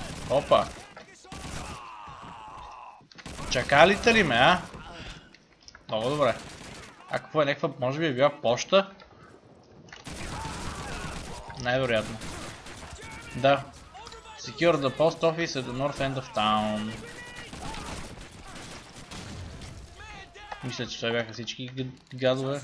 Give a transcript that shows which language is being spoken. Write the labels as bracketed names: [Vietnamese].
[Bulgarian] Опа! Чакалите ли ме, а? Много добре. Ако е някаква, може би е била поща? Най-вероятно. Да. [English] Secure the post office at the north end of town. [Bulgarian] Мисля, че това бяха всички газове.